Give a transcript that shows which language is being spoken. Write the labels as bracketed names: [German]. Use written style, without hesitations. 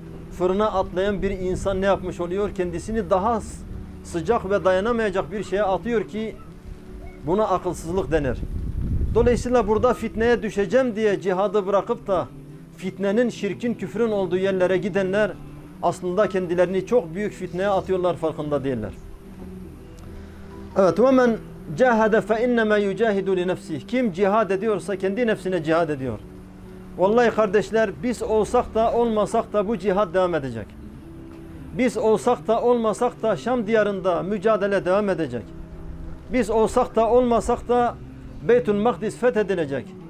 [Turkish] Fırına atlayan bir insan ne yapmış oluyor? Kendisini daha sıcak ve dayanamayacak bir şeye atıyor ki buna akılsızlık denir. Dolayısıyla burada fitneye düşeceğim diye cihadı bırakıp da fitnenin, şirkin, küfrün olduğu yerlere gidenler aslında kendilerini çok büyük fitneye atıyorlar, farkında değiller. Evet, [Arabic] وَمَنْ جَاهَدَ فَاِنَّمَا يُجَاهِدُ لِنَفْسِهِ. [Turkish] Kim cihad ediyorsa kendi nefsine cihad ediyor. Vallahi kardeşler, biz olsak da olmasak da bu cihad devam edecek. Biz olsak da olmasak da Şam diyarında mücadele devam edecek. Biz olsak da olmasak da Beytül Makdis fethedilecek.